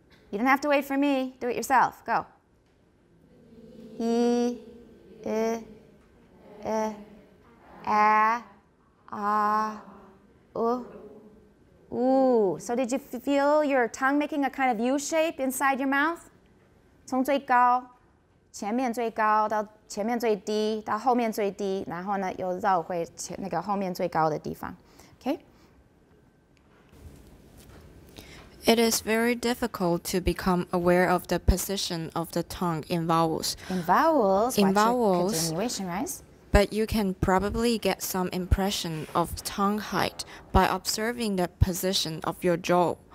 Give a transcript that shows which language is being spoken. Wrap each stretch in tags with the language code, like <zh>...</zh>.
<en>You don't have to wait for me, do it yourself, go. E, I, I, a, a, u, u. So did you feel your tongue making a kind of U shape inside your mouth?</en> <zh>从最高前面最高到前面最低到后面最低，然后呢又绕回前那个后面最高的地方。</zh> <en>Okay. It is very difficult to become aware of the position of the tongue in vowels. In vowels, continuation, right? But you can probably get some impression of tongue height by observing the position of your jaw.</en>